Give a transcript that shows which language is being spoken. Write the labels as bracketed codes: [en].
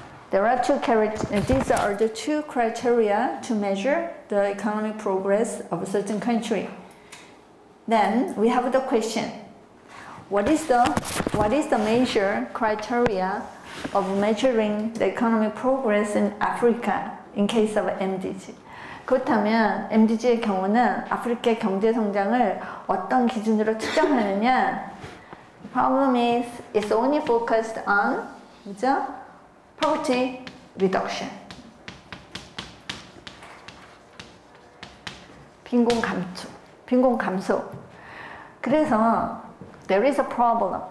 [en] There are two these are the two criteria to measure the economic progress of a certain country. Then we have the question. What is the major criteria of measuring the economic progress in Africa in case of MDG? [ko] 그렇다면 MDG의 경우는 아프리카의 경제 성장을 어떤 기준으로 측정하느냐? [en] The problem is it's only focused on [ko] 그죠? [en] Poverty reduction. [ko] 빈곤 감소. 빈곤 감소. 그래서 [en] there is a problem.